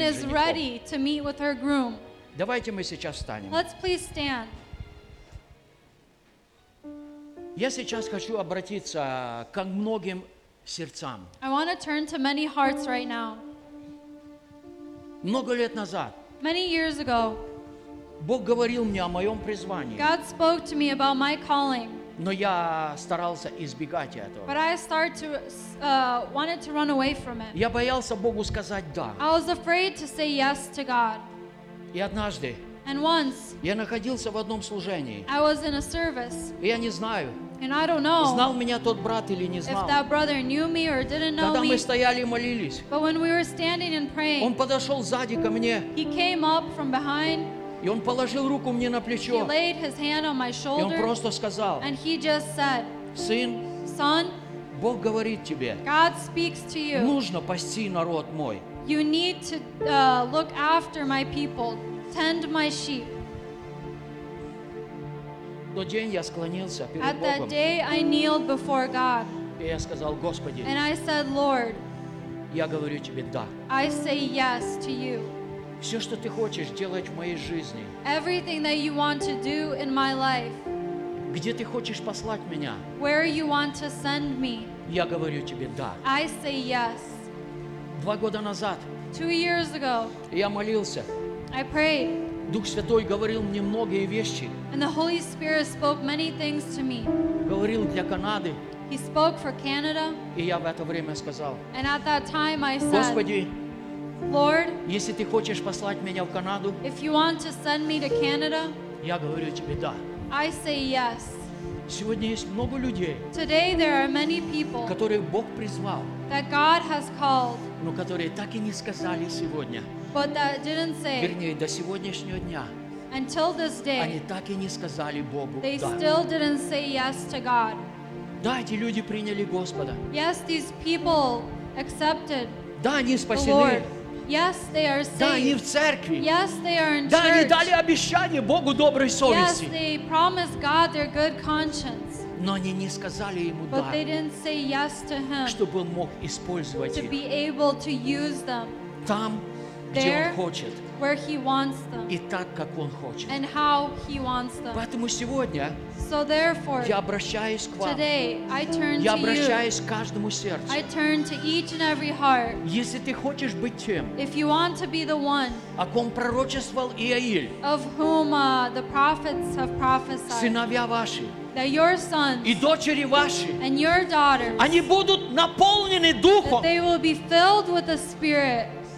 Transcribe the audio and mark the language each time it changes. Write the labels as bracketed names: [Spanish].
[English] And is ready to meet with her groom. [Russian] Давайте мы сейчас встанем. [English] Let's please stand. [Russian] Я сейчас хочу обратиться к многим сердцам. [English] I want to turn to many hearts right now. [Russian] Много лет назад [English] many years ago, [Russian] Бог говорил мне о моем призвании. [English] God spoke to me about my calling. [Russian] Но я старался избегать этого. [English] But I started to, wanted to run away from it. [Russian] Я боялся Богу сказать «да». [English] I was afraid to say yes to God. [Russian] И однажды [English] And once, [Russian] я находился в одном служении. [English] I was in a service. [Russian] И я не знаю, [English] and I don't know [Russian] знал меня тот брат или не знал. [English] If that brother knew me or didn't know [Russian] Когда [English] me. [Russian] Мы стояли и молились, [English] But when we were standing and praying, [Russian] он подошел сзади ко мне. [English] He came up from behind, [Russian] и он положил руку мне на плечо. [English] He laid his hand on my shoulder, [Russian] и он просто сказал, [English] and he just said, [Russian] «Сын, [English] Son, [Russian] Бог говорит тебе, [English] God speaks to you. [Russian] Нужно пасти народ мой. [English] You need to look after my people. Tend my sheep. [Russian] Тот день я склонился перед [English] At that [Russian] Богом. [English] Day I kneeled before God. [Russian] И я сказал, Господи, [English] And I said, Lord, [Russian] я говорю тебе да. [English] I say yes to you. [Russian] Все, что ты хочешь делать в моей жизни. [English] Everything that you want to do in my life. [Russian] Где ты хочешь послать меня? [English] Where you want to send me. [Russian] Я говорю тебе да. [English] I say yes. [Russian] Два года назад. [English] Two years ago. [Russian] Я молился. [English] I prayed. [Russian] Дух Святой говорил мне многие вещи. [English] And the Holy Spirit spoke many things to me. [Russian] Говорил для Канады. [English] He spoke for Canada. [Russian] И я в это время сказал. [English] And at that time I said, [Russian] Господи, [English] Lord, [Russian] если ты хочешь послать меня в Канаду, [English] if you want to send me to Canada, [Russian] я говорю тебе да. [English] I say yes. [Russian] Сегодня есть много людей, [English] Today there are many people, [Russian] которых Бог призвал, [English] that God has called, [Russian] но которые так и не сказали сегодня. [English] But that didn't say. [Russian] Вернее, до сегодняшнего дня. [English] Until this day. [Russian] Они так и не сказали Богу [English] they [Russian] да. [English] They still didn't say yes to God. [Russian] Да, эти люди приняли Господа. [English] Yes, these people accepted. [Russian] Да, они спасены. [English] Yes, they are saved. [Russian] Да, они в церкви. [English] Yes, they are in [Russian] да, [English] church. [Russian] Да, они дали обещание Богу доброй совести. [English] Yes, they promised God their good conscience. [Russian] Но они не сказали ему [English] But [Russian] да. [English] They didn't say yes to him. [Russian] Чтобы он мог использовать [English] to To be able to use them. [Russian] Там [English] There, [Russian] где он хочет [English] where he wants them, [Russian] и так, как он хочет. [English] And how he wants them. [Russian] Поэтому сегодня [English] so therefore, [Russian] я обращаюсь к вам. [English] Today, I turn [Russian] я [English] to [Russian] обращаюсь [English] you. [Russian] К каждому сердцу. [English] I turn to each and every heart. [Russian] Если ты хочешь быть тем, [English] If you want to be the one, [Russian] о ком пророчествовал Иаиль, [English] of whom, the prophets have prophesied, [Russian] сыновья ваши, [English] That your sons [Russian] и дочери ваши [English] and your daughters, [Russian] они будут наполнены Духом. [English] That they will be filled with the Spirit.